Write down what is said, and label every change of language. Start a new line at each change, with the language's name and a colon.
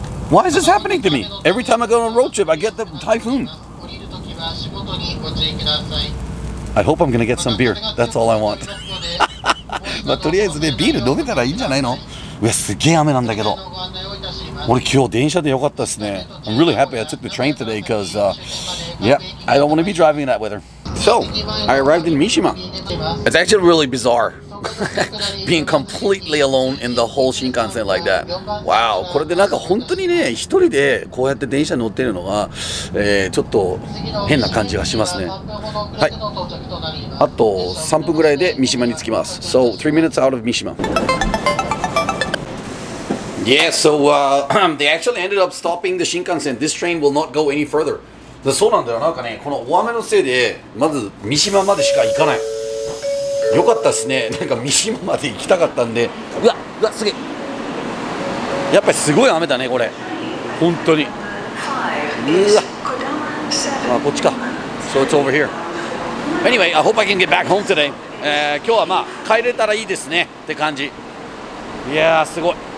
English: Why is this happening to me? Every time I go on a road trip, I get the typhoon. I hope I'm going to get some beer. That's all I want.
Japanese: まあ、とりあえずね、ビール飲めたらいいんじゃないの？うわ、すげえ雨なんだけど。俺今日電車でよかったですね。
English: I'm really happy I took the train today because, yeah, I don't want to be driving in that weather. So, I arrived in Mishima. It's actually really bizarre. Being completely alone in the whole Shinkansen like that. Wow,
Japanese: これでなんか本当にね、一人でこうやって電車乗ってるのが、ちょっと変な感じがしますね。はい、あと3分ぐらいで三島に着きます。
English: So, 3 minutes out of Mishima. Yeah, so they actually ended up stopping the Shinkansen. This train will not go any further.
Japanese: そうなんだよ、なんかね、この大雨のせいで、まず三島までしか行かない。よかったですね。なんか三島まで行きたかったんで。うわっ、うわっ、すげえ。やっぱりすごい雨だね、これ。本当に。うわっ。あ、こっちか。
English: So it's over here. Anyway, I hope I can get back home today.
Japanese: 今日はまあ、帰れたらいいですね。って感じ。いやー、すごい。